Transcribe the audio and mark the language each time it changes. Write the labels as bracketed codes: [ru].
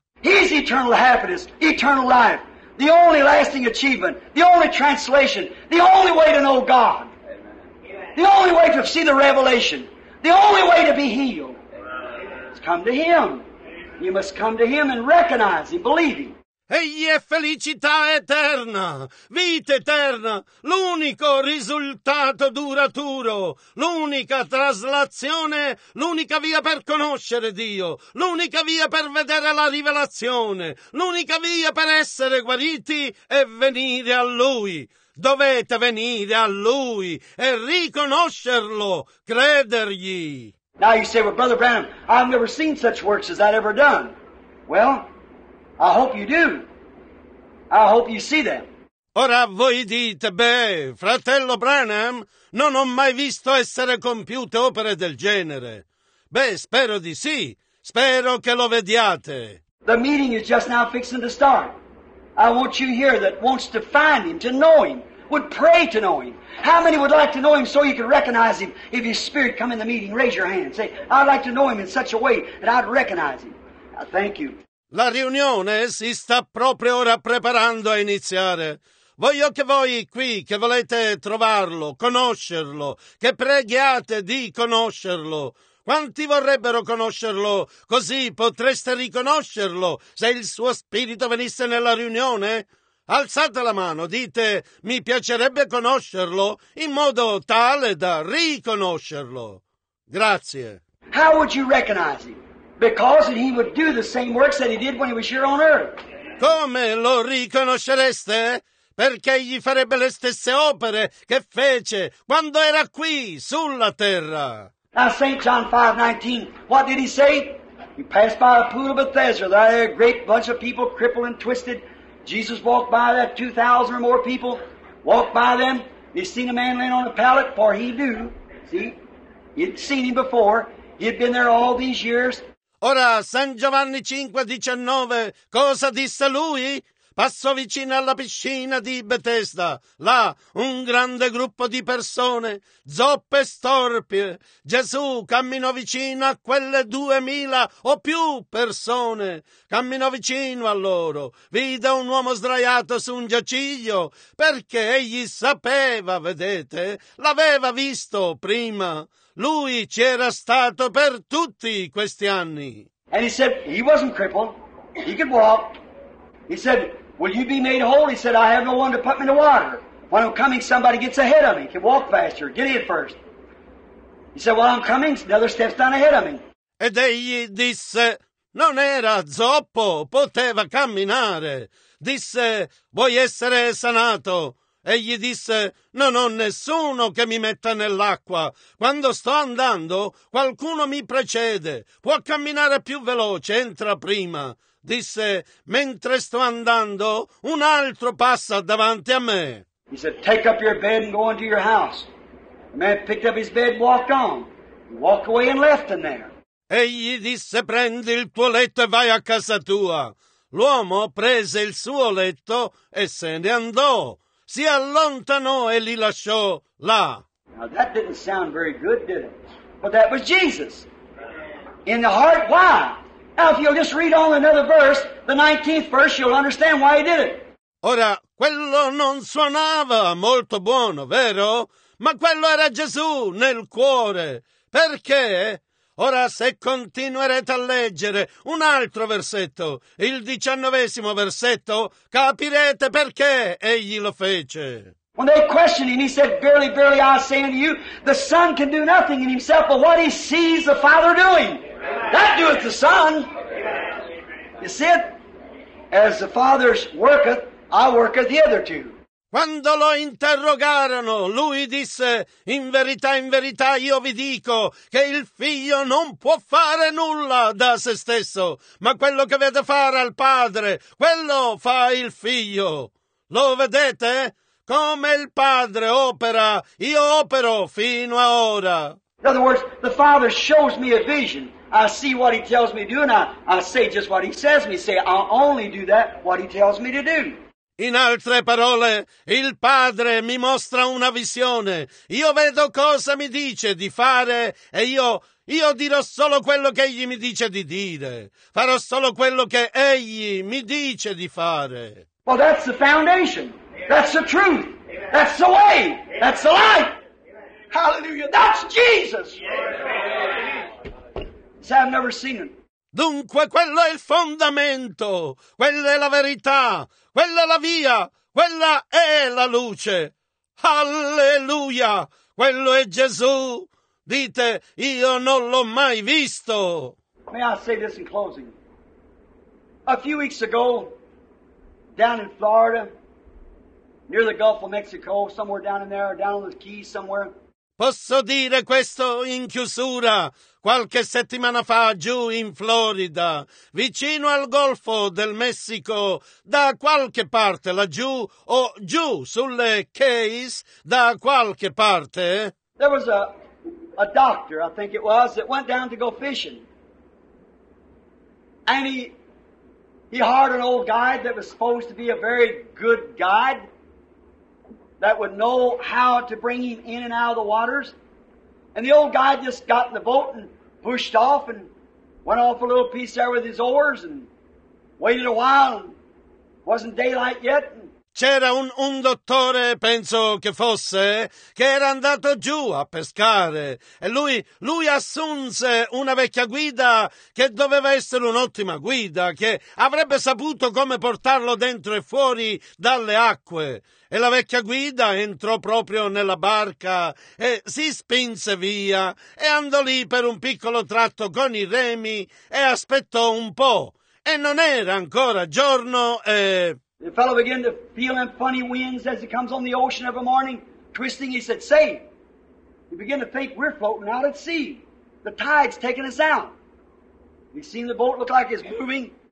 [en] He's eternal happiness, eternal life, the only lasting achievement, the only translation, the only way to know God, the only way to see the revelation, the only way to be healed. It's come to Him. You must come to Him and recognize Him, believe Him. [it] Egli è felicità eterna, vita eterna, l'unico risultato duraturo, l'unica traslazione, l'unica via per conoscere Dio, l'unica via per vedere la rivelazione, l'unica via per essere guariti e venire a Lui. Dovete venire a Lui e riconoscerlo, credergli. [en] Now you say, well, Brother Branham, I've never seen such works as that ever done. Well, I hope you do. I hope you see them. [it] Ora voi dite, beh, fratello Branham, non ho mai visto essere compiute opere del genere. Beh, spero di sì. Spero che lo vediate. [en] The meeting is just now fixing to start. I want you here that wants to find Him, to know Him, would pray to know Him. How many would like to know Him so you could recognize Him? If His Spirit come in the meeting, raise your hand. Say, I'd like to know Him in such a way that I'd recognize Him. Thank you. [it] La riunione si sta proprio ora preparando a iniziare. Voglio che voi qui, che volete trovarlo, conoscerlo, che preghiate di conoscerlo. Quanti vorrebbero conoscerlo? Così potreste riconoscerlo se il suo spirito venisse nella riunione? Alzate la mano, dite, mi piacerebbe conoscerlo in modo tale da riconoscerlo. Grazie. [en] How would you recognize him? Because he would do the same works that he did when he was here on earth. [it] Come lo riconoscereste? Perché egli farebbe le stesse opere che fece quando era qui sulla terra. [en] Now St. John 5:19, what did he say? He passed by a pool of Bethesda. There were a great bunch of people crippled and twisted. Jesus walked by that 2,000 or more people. Walked by them. He seen a man laying on a pallet, for he knew. See? He'd seen him before. He'd been there all these years. [it] Ora, San Giovanni 5:19, cosa disse lui? Passò vicino alla piscina di Betesda. Là, un grande gruppo di persone, zoppe e storpie. Gesù camminò vicino a quelle 2000 o più persone. Camminò vicino a loro. Vide un uomo sdraiato su un giaciglio, perché egli sapeva, vedete, l'aveva visto prima. Lui ci era stato per tutti questi anni. [en] And he said, he wasn't crippled. He could walk. He said, will you be made whole? He said, I have no one to put me in the water. When I'm coming, somebody gets ahead of me. Can walk faster. Get in first. He said, while I'm coming, another step's down ahead of me. [it] Ed egli disse, non era zoppo, poteva camminare. Disse, vuoi essere sanato? Egli disse, non ho nessuno che mi metta nell'acqua. Quando sto andando, qualcuno mi precede. Può camminare più veloce, entra prima. Disse, mentre sto andando, un altro passa davanti a me. [en] He said, take up your bed and go into your house. The man picked up his bed, walked on. Walked away and left him there. [it] Egli disse, prendi il tuo letto e vai a casa tua. L'uomo prese il suo letto e se ne andò. Si allontanò e li lasciò là. [en] Now that didn't sound very good, did it? But that was Jesus. In the heart, why? Now if you'll just read on another verse, the 19th verse, you'll understand why he did it. [it] Ora, quello non suonava molto buono, vero? Ma quello era Gesù nel cuore. Perché? Ora, se continuerete a leggere un altro versetto, il 19° versetto, capirete perché egli lo fece. [en] When they questioned him, he said, verily, verily, I say unto you, the Son can do nothing in himself but what he sees the Father doing. That doeth the Son. You see it? As the Father worketh, I worketh hitherto. [it] Quando lo interrogarono, lui disse, in verità io vi dico che il figlio non può fare nulla da se stesso, ma quello che vede fare al padre, quello fa il figlio. Lo vedete? Come il padre opera, io opero fino a ora. [en] In other words, the father shows me a vision. I see what he tells me to do and I say just what he says me. Say, I'll only do that what he tells me to do. [it] In altre parole, il Padre mi mostra una visione. Io vedo cosa mi dice di fare e io dirò solo quello che egli mi dice di dire. Farò solo quello che egli mi dice di fare. [en] Well, that's the foundation. That's the truth. That's the way. That's the life. Hallelujah. That's Jesus. See, I've never seen him. [it] Dunque, quello è il fondamento, quella è la verità, quella è la via, quella è la luce. Alleluia! Quello è Gesù. Dite, io non l'ho mai visto. [en] May I say this in closing? A few weeks ago, down in Florida, near the Gulf of Mexico, somewhere down in there, down on the Keys somewhere, [it] posso dire questo in chiusura, qualche settimana fa giù in Florida, vicino al Golfo del Messico, da qualche parte laggiù o giù sulle Keys, da qualche parte. [en] There was a doctor, I think it was, that went down to go fishing. And he hired an old guide that was supposed to be a very good guide. That would know how to bring him in and out of the waters. And the old guy just got in the boat and pushed off and went off a little piece there with his oars and waited a while and wasn't daylight yet. [it] C'era un dottore, penso che fosse, che era andato giù a pescare e lui assunse una vecchia guida che doveva essere un'ottima guida, che avrebbe saputo come portarlo dentro e fuori dalle acque. E la vecchia guida entrò proprio nella barca e si spinse via e andò lì per un piccolo tratto con i remi e aspettò un po'. E non era ancora giorno e... [en] The fellow began to feel them funny winds as he comes on the ocean every morning, twisting. He said, say, he began to think we're floating out at sea. The tide's taking us out. He seen the boat look like it's moving.